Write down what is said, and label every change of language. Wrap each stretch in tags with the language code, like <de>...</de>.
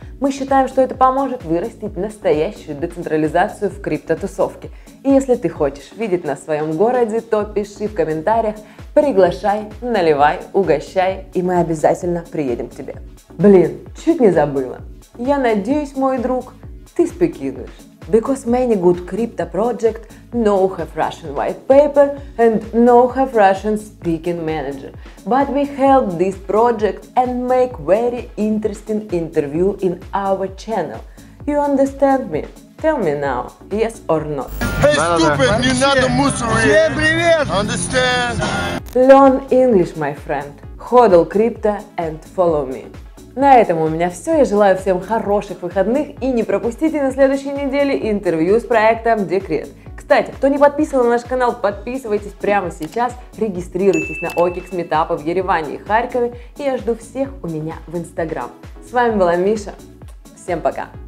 <ru>Мы считаем, что это поможет вырастить настоящую децентрализацию в криптотусовке. И если ты хочешь видеть нас в своем городе, то пиши в комментариях, приглашай, наливай, угощай, и мы обязательно приедем к тебе. Блин, чуть не забыла. Я надеюсь, мой друг, ты спикируешь.</ru> <en>Because many good crypto projects know have Russian white paper and know have Russian speaking manager. But we help this project and make very interesting interview in our channel. You understand me? Tell me now, yes or not. Hey, stupid, you're not a Muslim. Understand? Learn English, my friend. HODL crypto and follow me.</en> <ru>На этом у меня все. Я желаю всем хороших выходных и не пропустите на следующей неделе интервью с проектом Декрет. Кстати, кто не подписан на наш канал, подписывайтесь прямо сейчас, регистрируйтесь на OKEX Meetup'ы в Ереване и Харькове, и я жду всех у меня в Instagram. С вами была Миша. Всем пока!</ru>